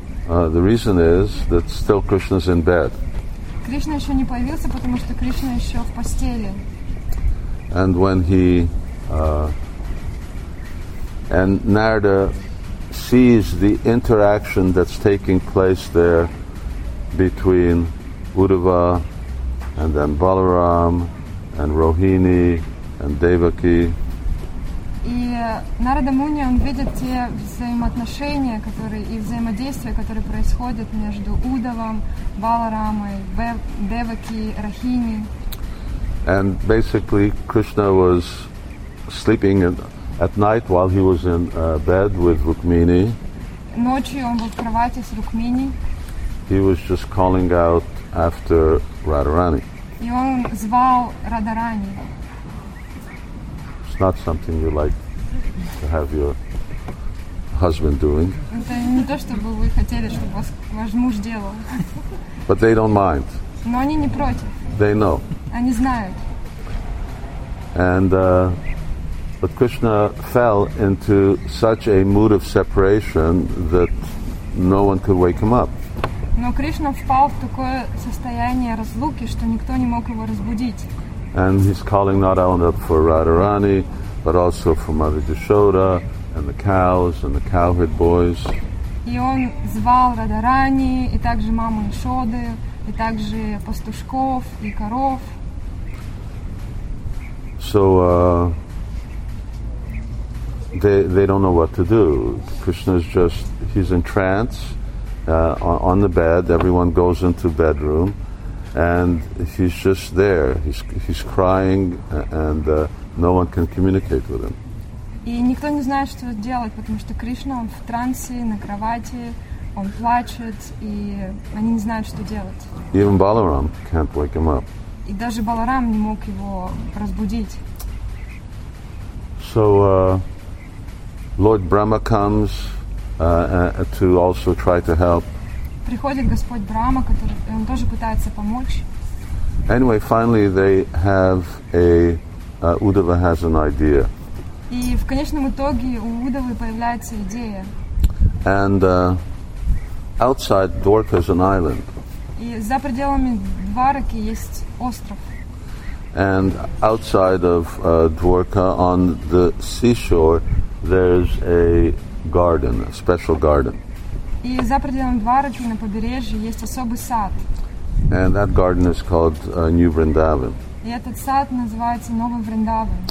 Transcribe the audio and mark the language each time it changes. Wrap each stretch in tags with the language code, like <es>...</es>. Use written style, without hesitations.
<en>The reason is that still Krishna's in bed.</en> <ru>Кришна еще не появился, потому что Кришна еще в постели.</ru> <en>And when he and Narada sees the interaction that's taking place there between Uddhava and then Balaram and Rohini and Devaki.</en> <ru>И Нарада Муни, он видит те взаимоотношения, которые и взаимодействия, которые происходят между Уддхавом, Баларамой, Деваки, Рохини.</ru> <en>And basically Krishna was sleeping at night while he was in bed with Rukmini.</en> <ru>Ночью он был в кровати с Рукмини.</ru> <en>He was just calling out after Radharani.</en> <ru>И он звал Радарани.</ru> <en>It's not something you like to have your husband doing.</en> <ru>Это не то, чтобы вы хотели, чтобы ваш муж делал.</ru> <en>But they don't mind.</en> <ru>Но они не против.</ru> <en>They know.</en> <ru>Они знают.</ru> <en>And But Krishna fell into such a mood of separation that no one could wake him up.</en> <ru>Но Кришна впал в такое состояние разлуки, что никто не мог его разбудить.</ru> <en>And he's calling not only for Radharani, but also for Mother Yashoda and the cows and the cowherd boys.</en> <ru>И он звал Радарани, и также маму Яшоды, и также пастушков и коров.</ru> <en>So They don't know what to do. Krishna is just, he's in trance on the bed. Everyone goes into bedroom. and he's just there. He's crying, and no one can communicate with him.</en> <ru>И никто не знает, что делать, потому что Кришна, он в трансе, на кровати, он плачет, и они не знают, что делать.</ru> <en>Even Balaram can't wake him up.</en> <ru>И даже Баларам не мог его разбудить.</ru> <en>So Lord Brahma comes to also try to help.</en> <ru>Приходит Господь Брама, который он тоже пытается помочь.</ru> <en>Anyway, finally they have a Uddhava has an idea.</en> <ru>И в конечном итоге у Удавы появляется идея.</ru> <en>And outside Dwarka is an island.</en> <ru>И за пределами Двараки есть остров.</ru> <en>And outside of Dwarka on the seashore there's a garden, a special garden.</en> <ru>И за пределами Двараки на побережье есть особый сад.</ru> <en>And that garden is called New Vrindavan.</en> <ru>И этот сад называется Новый Вриндаван.</ru>